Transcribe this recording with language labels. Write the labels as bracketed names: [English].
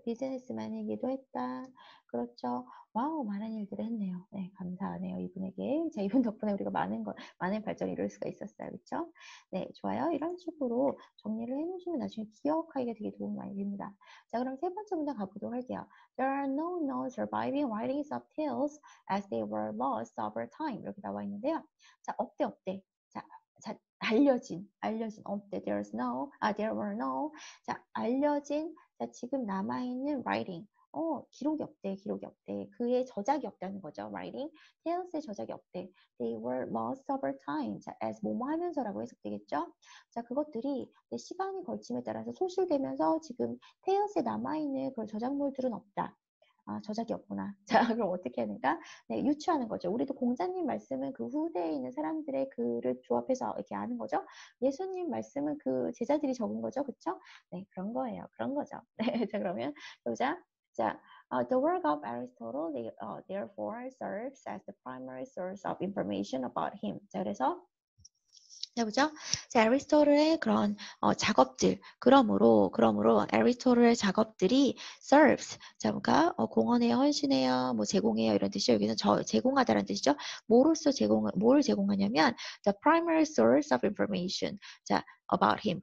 [Korean] 비즈니스맨이기도 했다. 그렇죠. 와우, 많은 일들을 했네요. 네, 감사하네요. 이분에게. 자, 이분 덕분에 우리가 많은 발전을 이룰 수가 있었어요. 그렇죠? 네, 좋아요. 이런 식으로 정리를 해놓으시면 나중에 기억하기가 되게 도움 많이 됩니다. 자, 그럼 세 번째 문장 가보도록 할게요. [English] There are no known surviving writings of tales as they were lost over time. [Korean] 이렇게 나와 있는데요. 자, 어때, 어때? 알려진 없대. [English] There were no. [Korean] 자, 알려진. 자, 지금 남아있는 writing. 기록이 없대. 기록이 없대. 그의 저작이 없다는 거죠. [English] Writing. [Korean] Tales의 저작이 없대. [English] They were lost over time. [Korean] 자, as 뭐뭐하면서라고 해석되겠죠? 자, 그것들이 시간이 걸침에 따라서 소실되면서 지금 Tales에 남아있는 그런 저작물들은 없다. 아, 저작이 없구나. 자, 그럼 어떻게 하는가? 네, 유추하는 거죠. 우리도 공자님 말씀은 그 후대에 있는 사람들의 글을 조합해서 이렇게 아는 거죠. 예수님 말씀은 그 제자들이 적은 거죠. 그쵸? 네, 그런 거예요. 그런 거죠. 네, 자, 그러면 보자. [English] 자, the work of Aristotle, therefore serves as the primary source of information about him. [Korean] 자, 그래서 해보죠. 자, 아리스토텔의 그런 작업들. 그러므로 아리스토텔의 작업들이 serves. 자, 뭔가 공헌해요, 헌신해요, 뭐 제공해요 이런 뜻이죠. 여기는 저 제공하다라는 뜻이죠. 뭐로써 뭘 제공하냐면 [English] the primary source of information. [Korean] 자, [English] about him.